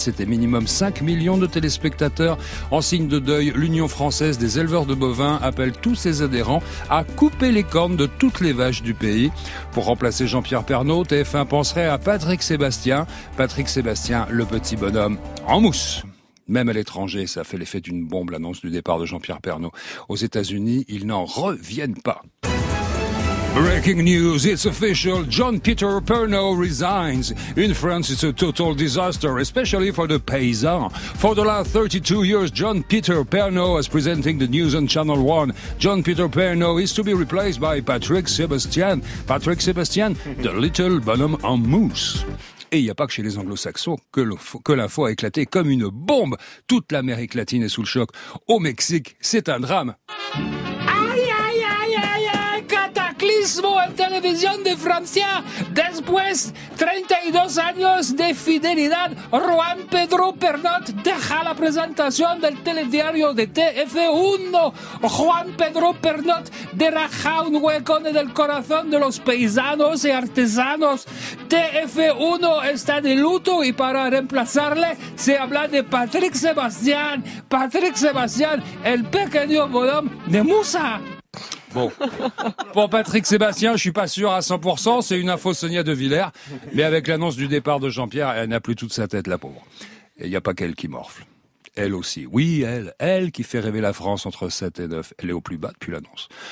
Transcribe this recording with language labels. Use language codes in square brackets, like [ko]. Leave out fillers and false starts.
[fr] C'était minimum 5 millions de téléspectateurs. En signe de deuil, l'Union française des éleveurs de bovins appelle tous ses adhérents à couper les cornes de toutes les vaches du pays. Pour remplacer Jean-Pierre Pernaut, TF1 penserait à Patrick Sébastien. Patrick Sébastien, le petit bonhomme en mousse. Même à l'étranger, ça fait l'effet d'une bombe, l'annonce du départ de Jean-Pierre Pernaut. Aux États-Unis, ils n'en reviennent pas. [en] Breaking news, it's official, John Peter Pernaut resigns. In France, it's a total disaster, especially for the paysans. For the last 32 years, John Peter Pernaut is presenting the news on Channel 1. John Peter Pernaut is to be replaced by Patrick Sébastien. Patrick Sébastien, the little [fr] bonhomme en mousse. Et il n'y a pas que chez les anglo-saxons que l'info a éclaté comme une bombe. Toute l'Amérique latine est sous le choc. Au Mexique, c'est un drame. [es] Aïe, aïe, aïe, aïe, aïe, cataclismo en télévision de Francia. Después 32 años de fidelidad, Juan Pedro Pernaut deja la presentación del telediario de TF1. Juan Pedro Pernaut deja un hueco en el corazón de los paisanos y artesanos. TF1 está de luto y para reemplazarle se habla de Patrick Sébastien. Patrick Sébastien, el pequeño bonhomme de Musa. [fr] Bon, pour Patrick Sébastien, je suis pas sûr à 100%, c'est une info Sonia De Villers. Mais avec l'annonce du départ de Jean-Pierre, elle n'a plus toute sa tête, la pauvre. Et il n'y a pas qu'elle qui morfle. Elle aussi. Oui, elle. Elle qui fait rêver la France entre 7 et 9. Elle est au plus bas depuis l'annonce.